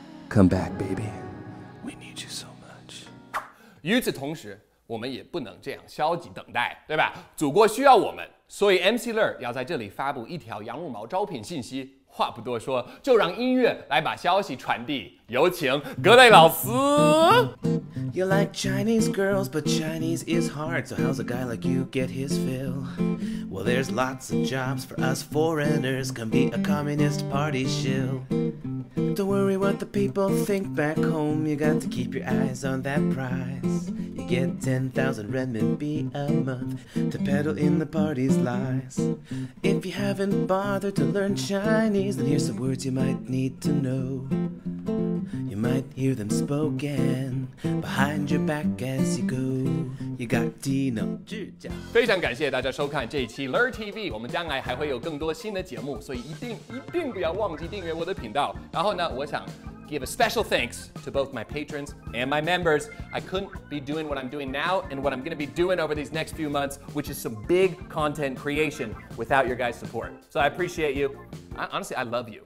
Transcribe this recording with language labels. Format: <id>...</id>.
<en>Come back baby, we need you so much。</en> <zh>与此同时，我们也不能这样消极等待，对吧？祖国需要我们，所以 MC 乐要在这里发布一条洋五毛招聘信息。话不多说，就让音乐来把消息传递。有请格雷老师。</zh> <en>You like Chinese girls, but Chinese is hard. So how's a guy like you get his fill? Well, there's lots of jobs for us foreigners. Can be a communist party shill. Don't worry what the people think back home. You got to keep your eyes on that prize. Get 10,000 renminbi a month to peddle in the party's lies. If you haven't bothered to learn Chinese, then here's some words you might need to know. You might hear them spoken behind your back as you go. You got Dino.</en> <zh>非常感谢大家收看这一期 LeLe TV. 我们将来还会有更多新的节目，所以一定不要忘记订阅我的频道。然后呢，我想</zh> <en>give a special thanks to both my patrons and my members. I couldn't be doing what I'm doing now and what I'm going to be doing over these next few months, which is some big content creation, without your guys' support. So I appreciate you. I, honestly, I love you.</en>